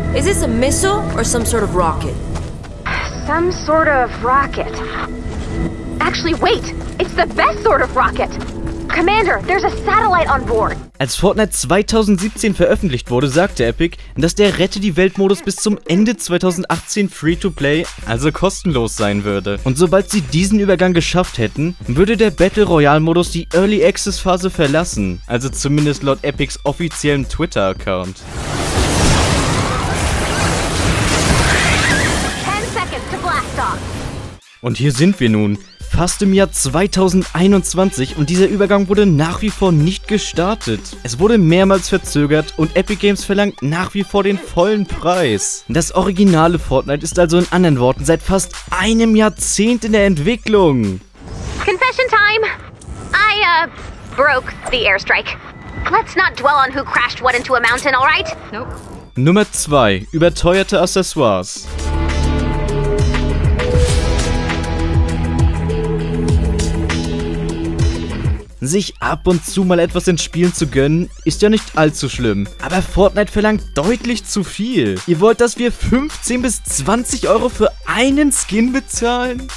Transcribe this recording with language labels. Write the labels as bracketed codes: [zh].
[en] Is this a missile or some sort of rocket? Some sort of rocket. Actually, wait! It's the best sort of rocket! Commander, there's a satellite on board! [de] Als Fortnite 2017 veröffentlicht wurde, sagte Epic, dass der Rette-die-Welt-Modus bis zum Ende 2018 Free-to-Play, also kostenlos sein würde. Und sobald sie diesen Übergang geschafft hätten, würde der Battle-Royale-Modus die Early-Access-Phase verlassen, also zumindest laut Epics offiziellen Twitter-Account. [en] 10 seconds to blast off. [de] Und hier sind wir nun. Fast im Jahr 2021 und dieser Übergang wurde nach wie vor nicht gestartet. Es wurde mehrmals verzögert und Epic Games verlangt nach wie vor den vollen Preis. Das originale Fortnite ist also in anderen Worten seit fast einem Jahrzehnt in der Entwicklung. [en] Confession time! I, broke the airstrike. Let's not dwell on who crashed what into a mountain, alright? Nope. [de] Nummer 2. Überteuerte Accessoires. Sich ab und zu mal etwas ins Spielen zu gönnen, ist ja nicht allzu schlimm. Aber Fortnite verlangt deutlich zu viel. Ihr wollt, dass wir 15 bis 20 Euro für einen Skin bezahlen?